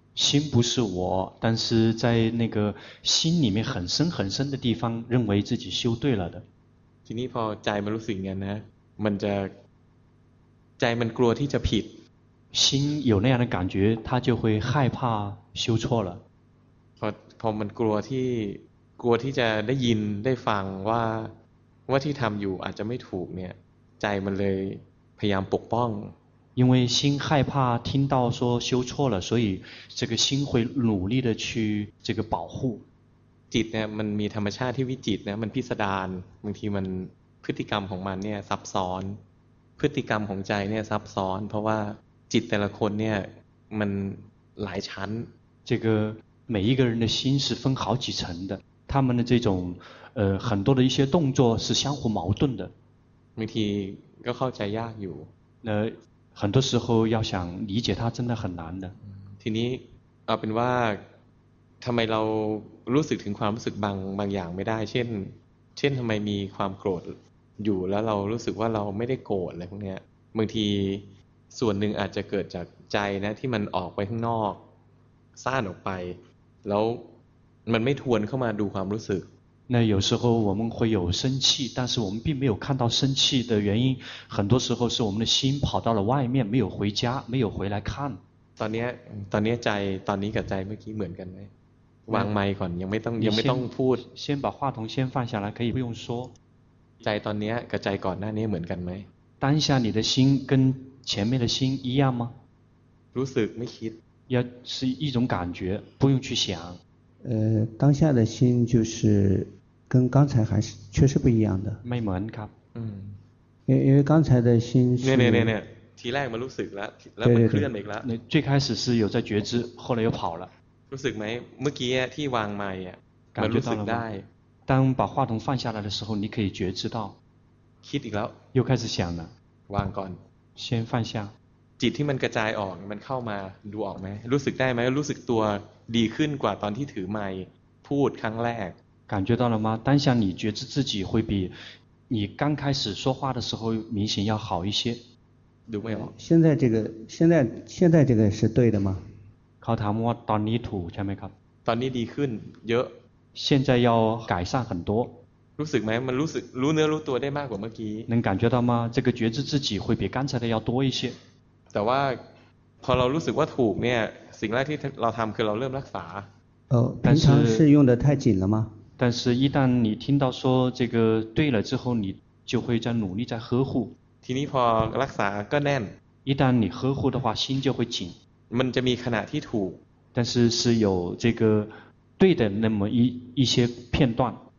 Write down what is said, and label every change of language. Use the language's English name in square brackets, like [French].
[Chinese] 心不是我但是在那个心里面很深很深的地方认为自己修对了的 [Thai] ทีนี้พอใจมันรู้สึกอย่างนั้นนะมันจะใจมันกลัวที่จะผิด [Chinese] 心有那样的感觉他就会害怕修错了 [Thai] พอมันกลัวที่จะได้ยินได้ฟังว่าที่ทำอยู่อาจจะไม่ถูกเนี่ยใจมันเลยพยายามปกป้อง [Chinese] 因为心害怕听到说修错了所以这个心会努力的去这个保护 [Thai] จิตเนี่ยมันมีธรรมชาติที่วิจิตนะมันพิสดารบางทีมันพฤติกรรมของมันเนี่ยซับซ้อนพฤติกรรมของใจเนี่ยซับซ้อนเพราะว่าจิตแต่ละคนเนี่ยมันหลายชั้น [Chinese] 这个每一个人的心是分好几层的他们的这种很多的一些动作是相互矛盾的 [Thai] บางทีก็เข้าใจยากอยู่ [Chinese] 很多时候要想理解它真的很难的 [Thai] ทีนี้เอาเป็นว่าทำไมเรารู้สึกถึงความรู้สึกบางอย่างไม่ได้เช่นทำไมมีความโกรธอยู่แล้วเรารู้สึกว่าเราไม่ได้โกรธอะไรพวกนี้บางทีส่วนหนึ่งอาจจะเกิดจากใจนะที่มันออกไปข้างนอกซ่านออกไปแล้วมันไม่ทวนเข้ามาดูความรู้สึก [Chinese] 那有时候我们会有生气，但是我们并没有看到生气的原因。很多时候是我们的心跑到了外面，没有回家，没有回来看。 [Thai] ตอนนี้ใจตอนนี้กับใจเมื่อกี้เหมือนกันไหมวางไมค์ก่อนยังไม่ต้องพูด [Chinese] 先把话筒先放下来，可以不用说。 [Thai] ใจตอนนี้กับใจก่อนหน้านี้เหมือนกันไหม [Chinese] 当下你的心跟前面的心一样吗？ [Thai] รู้สึกไม่คิด [Chinese] 要是一种感觉，不用去想。当下的心就是跟刚才还是确实不一样的。 [Thai] ไม่เหมือนครับ [Chinese] 因为刚才的心是。 [Thai] เนี่ยทีแรกมันรู้สึกแล้วแล้วมันเคลื่อนไปอีกแล้ว [Chinese] 最开始是有在觉知，后来又跑了。 [Thai] รู้สึกไหมเมื่อกี้ที่วางไมค์อ่ะมันรู้สึกได้。 [Chinese] 当把话筒放下来的时候，你可以觉知到。 [Thai] คิดอีกแล้ว [Chinese] 又开始想了。 [Thai] วางก่อน。 [Chinese] 先放下。 [Thai] จิตที่มันกระจายออกมันเข้ามาดูออกไหมรู้สึกได้ไหมรู้สึกตัวดีขึ้นกว่าตอนที่ถือไมค์พูดครั้งแรก [Chinese] 感觉到了吗当下你觉知自己会比你刚开始说话的时候明显要好一些 [Thai] ดูไม่ออก [Chinese] 现在这个是对的吗 [Thai] เขาถามว่าตอนนี้ถูกใช่ไหมครับ ตอนนี้ดีขึ้นเยอะ [Chinese] 现在要改善很多 [Thai] รู้สึกไหมมันรู้สึกรู้เนื้อรู้ตัวได้มากกว่าเมื่อกี้ [Chinese] 能感觉到吗这个觉知自己会比刚才的要多一些 [Thai] แต่ว่าพอเรารู้สึกว่าถูกเนี่ยสิ่งแรกที่เราทำคือเราเริ่มรักษา [Chinese] เออ平常是用的太紧了吗但是一旦你听到说这个对了之后你就会在努力在呵护 [Thai] ทีนี้พอรักษาก็แน่น [Chinese] 一旦你呵护的话心就会紧 [Thai] มันจะมีขณะที่ถูก [Chinese] 但是是有这个对的那么一些片段